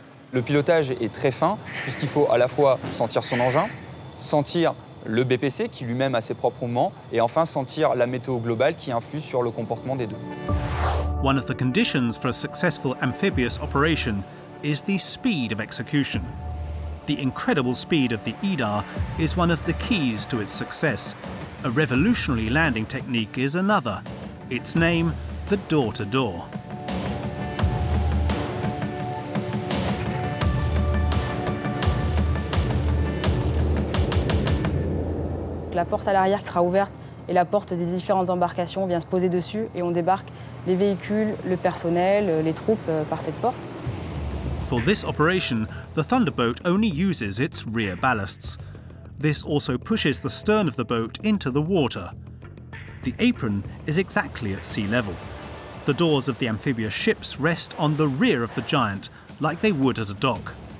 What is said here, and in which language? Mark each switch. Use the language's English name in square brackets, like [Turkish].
[French] Le pilotage est très fin, puisqu'il faut à la fois sentir son engin, sentir le BPC, qui lui-même a ses propres mouvements, et enfin sentir la météo globale qui influe sur le comportement des deux. [English] One of the conditions for a successful amphibious operation is the speed of execution. The incredible speed of the EDAR is one of the keys to its success. A revolutionary landing technique is another. Its name, the door-to-door. [French] La porte à l'arrière sera ouverte et la porte des différentes embarcations vient se poser dessus et on débarque les véhicules, le personnel, les troupes par cette porte. [English] For this operation, the Thunderboat only uses its rear ballasts. This also pushes the stern of the boat into the water. The apron is exactly at sea level. The doors of the amphibious ships rest on the rear of the giant, like they would at a dock.